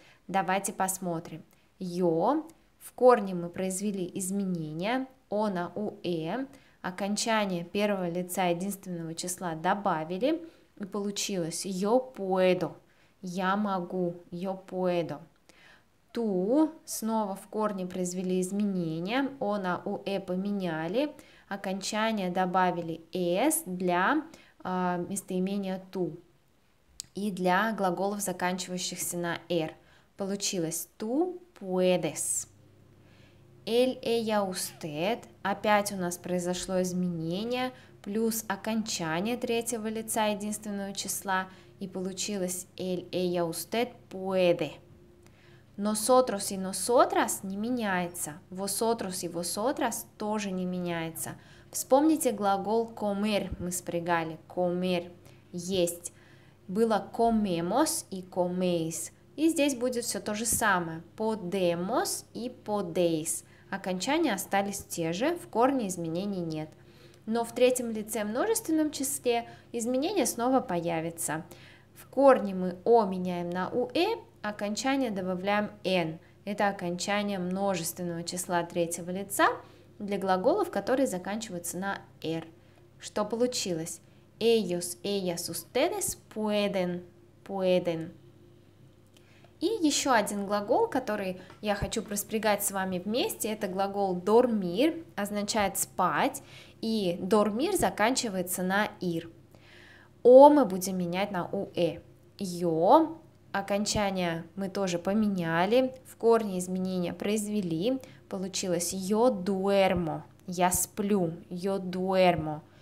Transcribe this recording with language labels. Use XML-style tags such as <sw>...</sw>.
<ru>Давайте посмотрим. «Yo» – в корне мы произвели изменения, «o» на «ue», окончание первого лица единственного числа добавили, и получилось</ru> <es>«yo puedo»</es> <ru>– «я могу», «yo puedo». «Tú» снова в корне произвели изменения, «о» на «уэ» поменяли, окончание добавили «эс» для местоимения «ту» и для глаголов, заканчивающихся на «эр». Получилось</ru> <es>«tú puedes».</es> <ru>«Él, ella, usted» опять у нас произошло изменение, плюс окончание третьего лица единственного числа, и получилось</ru> <es>«él, ella, usted puede». Nosotros y nosotras</es> <ru>не меняется.</ru> <es>Vosotros y vosotras</es> <ru>тоже не меняется. Вспомните глагол comer, мы спрягали. Comer, есть. Было comemos и coméis. И здесь будет все то же самое.</ru> <es>Podemos и podéis.</es> <ru>Окончания остались те же, в корне изменений нет. Но в третьем лице множественном числе изменения снова появятся. В корне мы о меняем на уэ, окончание добавляем n. Это окончание множественного числа третьего лица для глаголов, которые заканчиваются на r. Что получилось?</ru> <es>Ellos, ellas, ustedes pueden. Pueden.</es> <ru>И еще один глагол, который я хочу проспрягать с вами вместе, это глагол dormir, означает спать, и dormir заканчивается на ir. О мы будем менять на ue. Йо, окончание мы тоже поменяли, в корне изменения произвели, получилось</ru> <es>yo duermo,</es> <ru>я сплю, yo duermo.</ru>